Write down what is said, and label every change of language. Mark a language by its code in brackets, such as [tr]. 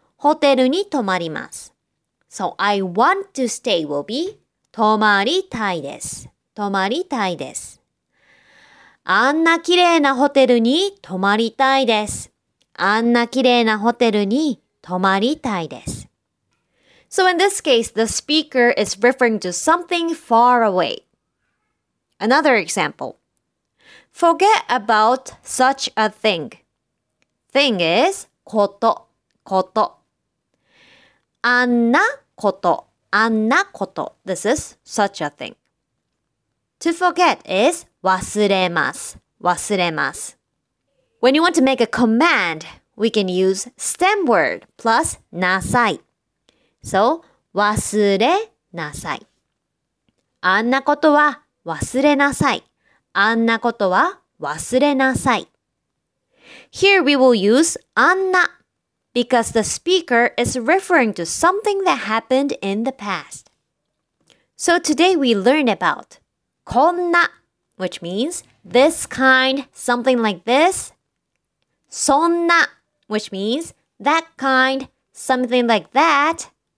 [ja] ホテルに泊まります。 [en] So I want to stay will be [ja] 泊まりたいです。泊まりたいです。あんなきれいなホテルに泊まりたいです。あんなきれいなホテルに泊まりたいです。 [en] So in this case, the speaker is referring to something far away. Another example. Forget about such a thing. Thing is [ja] こと、こと。あんなこと、あんなこと。 [en] This is such a thing. To forget is [ja] 忘れます、忘れます。 [en] When you want to make a command, we can use stem word plus なさい。 [ja] So, 忘れなさい。あんなことは忘れなさい。あんなことは忘れなさい。 [en] Here we will use あんな。 Because the speaker is referring to something that happened in the past. So today we learn about konna, which means this kind, something like this. Sonna, which means that kind, something like that.